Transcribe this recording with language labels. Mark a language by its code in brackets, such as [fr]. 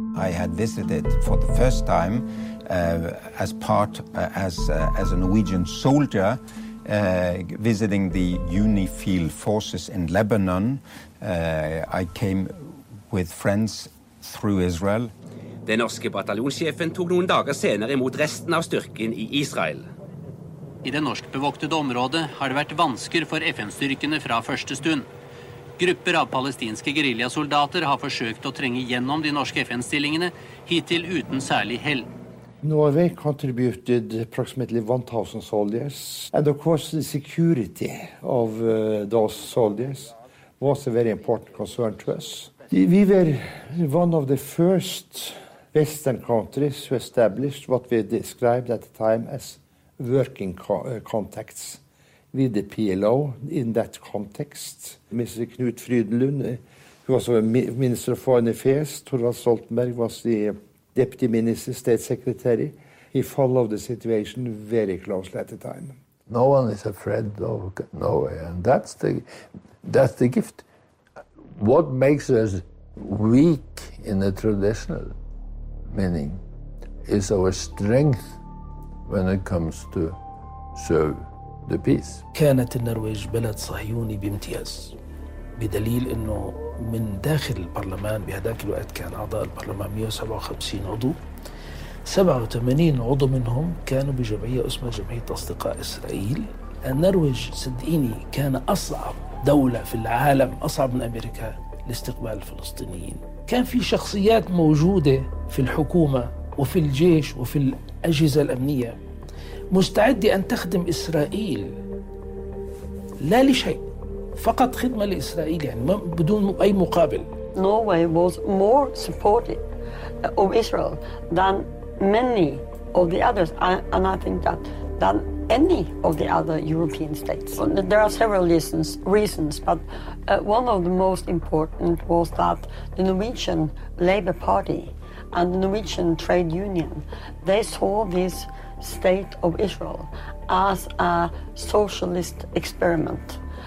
[en] I had visited for the first time as part as a Norwegian soldier visiting the UNIFIL forces in Lebanon. I came with friends through Israel. [no] Den norske bataljonssjefen tog noen dager senere imot resten av styrken I Israel. I det norske bevoktede området har det vært vansker for FN-styrkene fra første stund. Grupper av palestinske guerillasoldater har forsøkt å trenge gjennom de norske FN-stillingene hittil uten særlig hell. [en] Norway contributed approximately 1,000 soldiers, and of course the security of those soldiers was a very important concern to us. We were one of the first Western countries who established what we described at the time as working contacts with the PLO in that context. Mr. Knut Frydenlund, who was Minister of Foreign Affairs, Thorvald Stoltenberg was the Deputy Minister, State Secretary. He followed the situation very closely at the time. No one is afraid of Norway, and that's the gift. What makes us weak in the traditional meaning is our strength when it comes to serve the peace. [ar] كانت النرويج بلد صهيوني بامتياز بدليل انه من داخل البرلمان بهذاك الوقت كان اعضاء البرلمان 157 عضو 87 عضو منهم كانوا بجمعيه اسمها جمعيه اصدقاء اسرائيل النرويج صدقيني كان اصعب دوله في العالم اصعب من امريكا لاستقبال الفلسطينيين كان في شخصيات موجوده في الحكومه وفي الجيش وفي الاجهزه الامنيه مستعده ان تخدم اسرائيل لا لشيء فقط خدمة لإسرائيل يعني بدون أي مقابل. [en] Norway was more supportive of Israel than many of the others, and I think that than any of the other European states. There are several reasons, but one of the most important was that the Norwegian Labour Party and the Norwegian Trade Union, they saw this state of Israel as a socialist experiment.